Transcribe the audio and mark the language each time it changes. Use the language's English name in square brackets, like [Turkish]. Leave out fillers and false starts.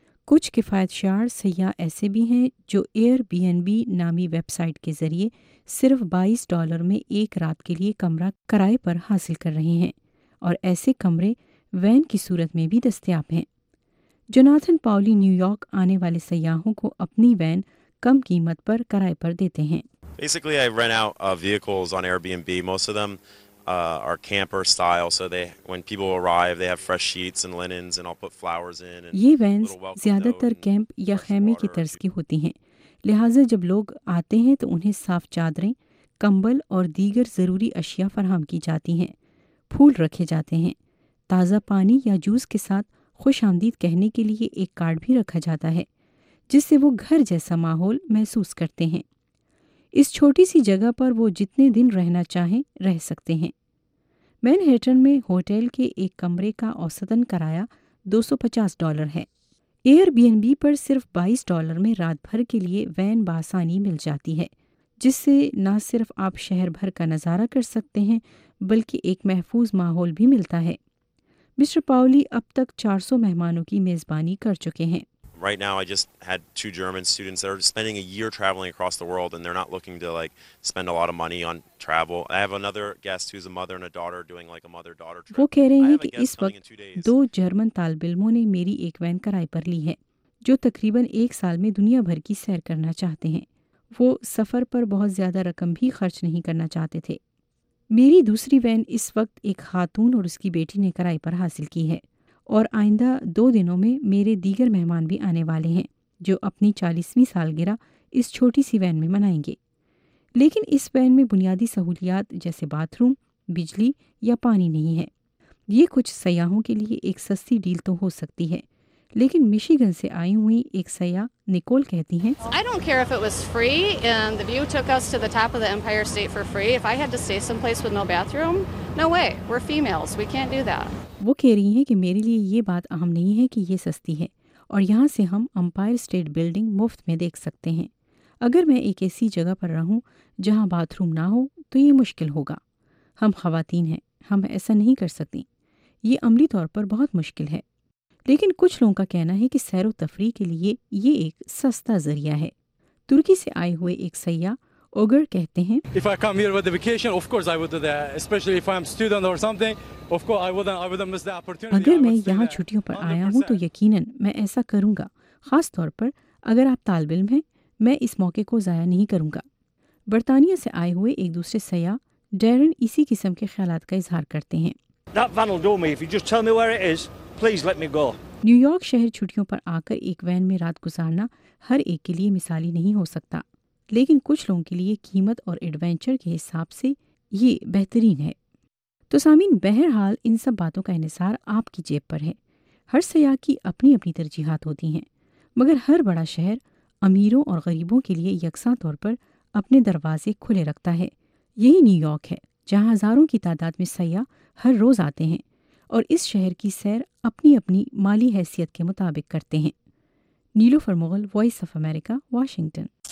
[Urdu] کچھ کفایت شعار سیاح ایسے بھی ہیں جو ایئر بی این بی نامی ویب سائٹ کے ذریعے صرف $22 میں ایک رات کے لیے کمرہ کرائے پر حاصل کر رہے ہیں، اور ایسے کمرے وین کی صورت میں بھی دستیاب ہیں۔ جوناتھن پاولی نیو یارک آنے والے سیاحوں کو اپنی وین کم قیمت پر کرائے پر دیتے ہیں۔ [English] Basically, I rent out vehicles on Airbnb. Most of them are camper style, so they, when people arrive, they have fresh sheets and linens, and I'll put flowers in. [Urdu] یہ وینز زیادہ تر camp یا خیمے کی طرز کی ہوتی ہیں، لہٰذا جب لوگ آتے ہیں تو انہیں صاف چادریں، کمبل اور دیگر ضروری اشیاء فراہم کی جاتی ہیں، پھول رکھے جاتے ہیں، تازہ پانی یا جوس کے ساتھ خوش آمدید کہنے کے لیے ایک کارڈ بھی رکھا جاتا ہے، جس سے وہ گھر جیسا ماحول محسوس کرتے ہیں۔ اس چھوٹی سی جگہ پر وہ جتنے دن رہنا چاہیں رہ سکتے ہیں۔ مینہٹن میں ہوٹل کے ایک کمرے کا اوسطاً کرایہ $250 ہے۔ ایئر بی این بی پر صرف $22 میں رات بھر کے لیے وین بآسانی مل جاتی ہے، جس سے نہ صرف آپ شہر بھر کا نظارہ کر سکتے ہیں بلکہ ایک محفوظ ماحول بھی ملتا ہے۔ مسٹر پاولی اب تک 400 مہمانوں کی میزبانی کر چکے ہیں۔ [English] Right now I just had two German students that are spending a year traveling across the world and they're not looking to like spend a lot of money on travel. I have another guest who's a mother and a daughter doing like a mother daughter trip. [Urdu] وہ کہہ رہے ہیں کہ اس وقت دو German طالب علموں نے میری ایک وین کرائے پر لی ہے جو تقریباً ایک سال میں دنیا بھر کی سیر کرنا چاہتے ہیں۔ وہ سفر پر بہت زیادہ رقم بھی خرچ نہیں کرنا چاہتے تھے۔ میری دوسری وین اس وقت ایک خاتون اور اس کی بیٹی نے کرائے پر حاصل کی ہے، اور آئندہ دو دنوں میں میرے دیگر مہمان بھی آنے والے ہیں جو اپنی 40ویں سالگرہ اس چھوٹی سی وین میں منائیں گے۔ لیکن اس وین میں بنیادی سہولیات جیسے باتھ روم، بجلی یا پانی نہیں ہے۔ یہ کچھ سیاحوں کے لیے ایک سستی ڈیل تو ہو سکتی ہے، لیکن مشیگن سے آئی ہوئی ایک سیاح نکول کہتی ہیں، [English] I don't care if it was free and the view took us to the top of the Empire State for free. If I had to stay someplace with no bathroom, no way. We're females. We can't do that. [Urdu] وہ کہہ رہی ہیں کہ میرے لیے یہ بات اہم نہیں ہے کہ یہ سستی ہے، اور یہاں سے ہم امپائر اسٹیٹ بلڈنگ مفت میں دیکھ سکتے ہیں۔ اگر میں ایک ایسی جگہ پر رہوں جہاں باتھ روم نہ ہو تو یہ مشکل ہوگا۔ ہم خواتین ہیں، ہم ایسا نہیں کر سکتی۔ یہ عملی طور پر بہت مشکل ہے، لیکن کچھ لوگوں کا کہنا ہے کہ سیر و تفریح کے لیے یہ ایک سستا ذریعہ ہے۔ ترکی سے آئے ہوئے ایک سیاح اوگر کہتے ہیں، [English] If I come here with a vacation, of course I would do that. Especially if I am student or something, of course I wouldn't miss the opportunity. [Urdu] اگر میں یہاں چھٹیوں پر آیا ہوں تو یقیناً میں ایسا کروں گا، خاص طور پر اگر آپ طالب علم ہیں، میں اس موقع کو ضائع نہیں کروں گا۔ برطانیہ سے آئے ہوئے ایک دوسرے سیاح ڈیرن اسی قسم کے خیالات کا اظہار کرتے ہیں۔ [English] That van will do me. If you just tell me where it is, please let me go. [Urdu] New York شہر چھٹیوں پر آ کر ایک وین میں رات گزارنا ہر ایک کے لیے مثالی نہیں ہو سکتا، لیکن کچھ لوگوں کے لیے قیمت اور ایڈونچر کے حساب سے یہ بہترین ہے۔ تو سامعین، بہرحال ان سب باتوں کا انحصار آپ کی جیب پر ہے۔ ہر سیاح کی اپنی اپنی ترجیحات ہوتی ہیں، مگر ہر بڑا شہر امیروں اور غریبوں کے لیے یکساں طور پر اپنے دروازے کھلے رکھتا ہے۔ یہی نیو یارک ہے جہاں ہزاروں کی تعداد میں سیاح ہر روز آتے ہیں اور اس شہر کی سیر اپنی اپنی مالی حیثیت کے مطابق کرتے ہیں۔ نیلوفر Mughal, voice of America, Washington.